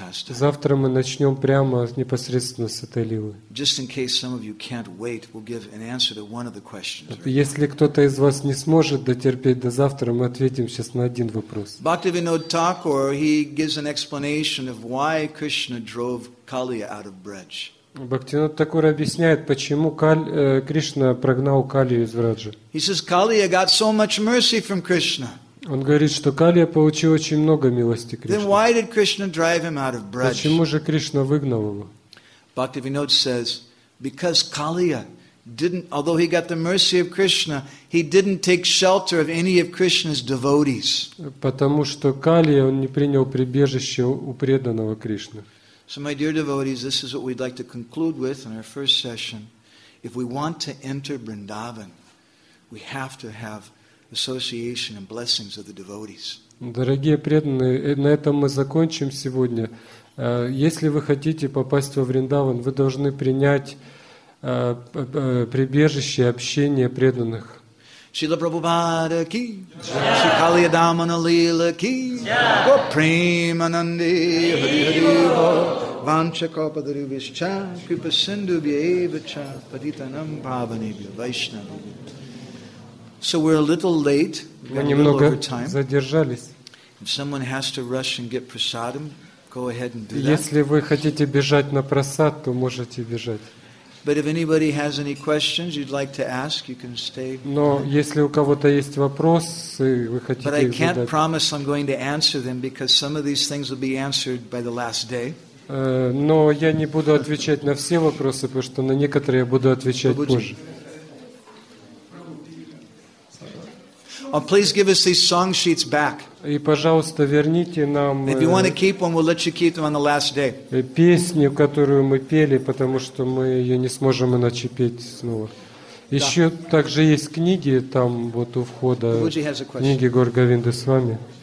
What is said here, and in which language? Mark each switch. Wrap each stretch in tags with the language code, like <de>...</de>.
<ru>Завтра мы начнем прямо непосредственно с этой лилы.</ru> <en>Just in case some of you can't wait, we'll give an answer to one of the questions. Right?</en> <ru>Если кто-то из вас не сможет дотерпеть до завтра, мы ответим сейчас на один вопрос.</ru> <en>Bhaktivinod Thakur, he gives an explanation of why Krishna drove Kaliya out of Braj.</en> <ru>Бхактинот Такур объясняет, почему Кришна прогнал Калию из Враджи.</ru> <en>He says, Kaliya got so much mercy from Krishna.</en> <ru>Он говорит, что Калия получил очень много милости Кришны.</ru> <en>Then why did Krishna drive him out of Braj?</en> <ru>Почему же Кришна выгнал его?</ru> <en>Bhaktivinod says, because Kaliya didn't, although he got the mercy of Krishna, he didn't take shelter of any of Krishna's devotees.</en> <ru>Потому что Калия, он не принял прибежище у преданного Кришны.</ru> <en>So my dear devotees, this is what we'd like to conclude with in our first session. If we want to enter Vrindavan, we have to have association and blessings of the devotees.</en> <ru>Дорогие преданные, на этом мы закончим сегодня. Если вы хотите попасть во Вриндаван, вы должны принять прибежище и общение преданных.</ru> <sa>Srila Prabhupada ki, Shri Kaliya Damana Leela ki, Go Premanandi Hari Hari Bo, Vancha Kapadaru Vishcha, Kripa Sindhu Vyevacha, Paditanam Pavanibhya Vaishnava.</sa> <en>So we're a little late, we're a little over time.</en> <ru>Задержались.</ru> <en>If someone has to rush and get prasadam, go ahead and do that.</en> <ru>Если вы хотите бежать на прасад, то можете бежать.</ru> <en>But if anybody has any questions you'd like to ask, you can stay.</en> <ru>Но если у кого-то есть вопросы, вы хотите их задать.</ru> <en>But I can't promise I'm going to answer them because some of these things will be answered by the last day.</en> <ru>Но я не буду отвечать на все вопросы, потому что на некоторые я буду отвечать позже.</ru> <en>Oh, please give us these song sheets back.</en> <ru>И, пожалуйста, верните нам.</ru> <en>If you want to keep them, we'll let you keep them on the last day.</en> <ru>Песню, которую мы пели, потому что мы ее не сможем иначе петь снова. Еще также есть книги там вот у входа. Книги Гор Говинды с вами.</ru>